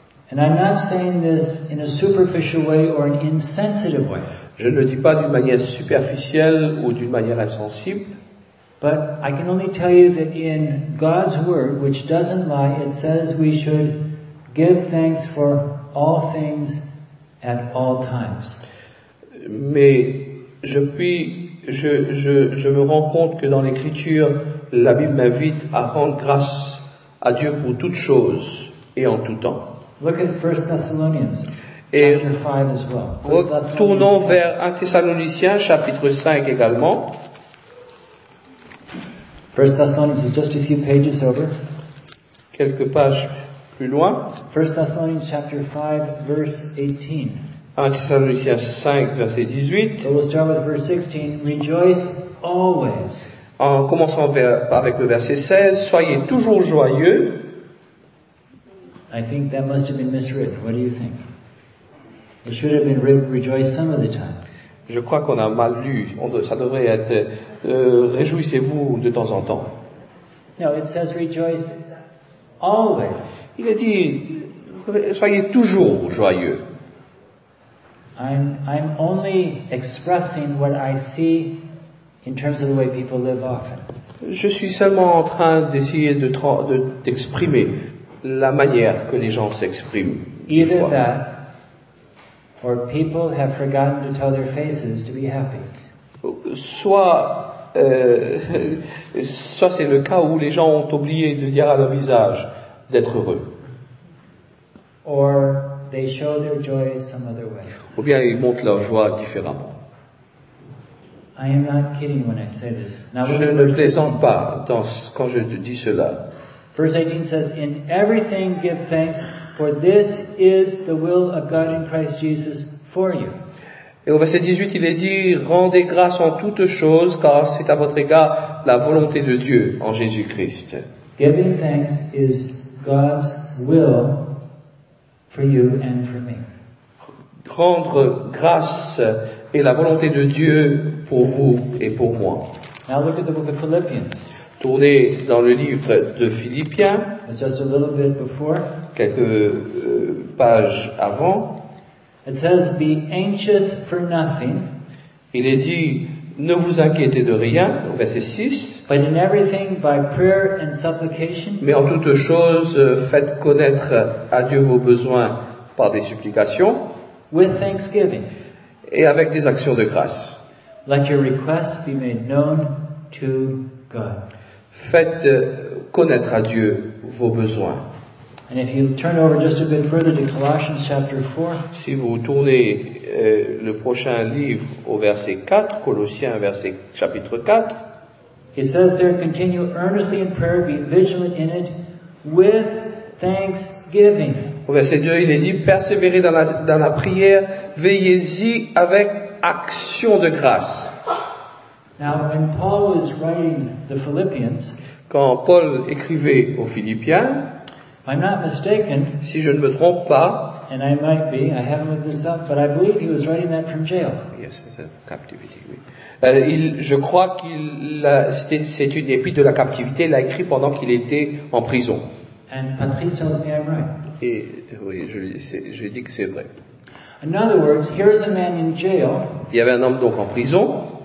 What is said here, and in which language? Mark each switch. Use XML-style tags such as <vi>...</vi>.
<en>And I'm not saying this in a superficial way or an insensitive way.</en> <fr>Je ne le dis pas d'une manière superficielle ou d'une manière insensible.</fr> <en>But I can only tell you that in God's word, which doesn't lie, it says we should give thanks for all things at all times.</en> <fr>Mais je me rends compte que dans l'Écriture, la Bible m'invite à rendre grâce à Dieu pour toutes choses et en tout temps.</fr> <en>Look at 1 Thessalonians chapter 5 as well.</en> <fr>Retournons vers 1 Thessaloniciens chapitre 5 également.</fr> <en>1 Thessalonians is just a few pages over.</en> <fr>Quelques pages plus loin.</fr> <en>1 Thessalonians chapter 5, verse 18.</en> <fr>1 Thessaloniciens 5, verset 18.</fr> <en>We'll start with verse 16. Rejoice always.</en> <fr>En commençant avec le verset 16, soyez toujours joyeux.</fr> <en>I think that must have been misread. What do you think? It should have been rejoice some of the time.</en> <fr>Je crois qu'on a mal lu. Ça devrait être réjouissez-vous de temps en temps.</fr> <en>No, it says rejoice always.</en> <fr>Il a dit soyez toujours joyeux.</fr> <en>I'm only expressing what I see in terms of the way people live often.</en> <fr>Je suis seulement en train d'essayer d'exprimer la manière que les gens s'expriment.</fr> <en>Either that, or people have forgotten to tell their faces to be happy.</en> <fr>Soit c'est le cas où les gens ont oublié de dire à leur visage d'être heureux.</fr> <en>Or they show their joy some other way.</en> <fr>Ou bien ils montrent leur joie différemment.</fr> <en>I am not kidding when I say this. Now,</en> <fr>je ne plaisante pas quand je dis cela.</fr> <en>Verse 18 says, in everything give thanks. For this is the will of God in Christ Jesus for you.</en> <fr>Et au verset 18, il est dit, rendez grâce en toutes choses, car c'est à votre égard la volonté de Dieu en Jésus-Christ.</fr> <en>Giving thanks is God's will for you and for me.</en> <fr>Rendre grâce est la volonté de Dieu pour vous et pour moi.</fr> <en>Now look at the book of Philippians.</en> <fr>Tournez dans le livre de Philippiens.</fr> <en>It's just a little bit before.</en> <fr>Quelques pages avant.</fr> <en>It says, be anxious for nothing.</en> <fr>Il est dit, ne vous inquiétez de rien, verset 6.</fr> <en>But in everything by prayer and supplication.</en> <fr>Mais en toute chose, faites connaître à Dieu vos besoins par des supplications.</fr> <en>With thanksgiving.</en> <fr>Et avec des actions de grâce.</fr> <en>Let your requests be made known to God.</en> <fr>Faites connaître à Dieu vos besoins.</fr> <en>And if you turn over just a bit further to Colossians chapter 4.</en> <fr>Si vous tournez le prochain livre au verset 4, Colossiens verset chapitre 4.</fr> <en>He says there, continue earnestly in prayer, be vigilant in it with thanksgiving.</en> <fr>Au verset 2, il est dit, persévérez dans la prière, veillez-y avec action de grâce.</fr> <en>Now, when Paul was writing the Philippians,</en> <fr>quand Paul écrivait aux Philippiens,</fr> <en>I'm not mistaken,</en> <fr>si je ne me trompe pas,</fr> <en>and I might be, I haven't looked this up, but I believe he was writing that from jail. Yes, it's a captivity.</en> <fr>Oui. Je crois qu'il a, c'est une épître de la captivité. Il l'a écrit pendant qu'il était en prison.</fr> <en>And Patrice tells me I'm right.</en> <fr>Et oui, je dis que c'est vrai.</fr> <en>In other words, here's a man in jail.</en> <fr>Il y avait un homme donc en prison.</fr>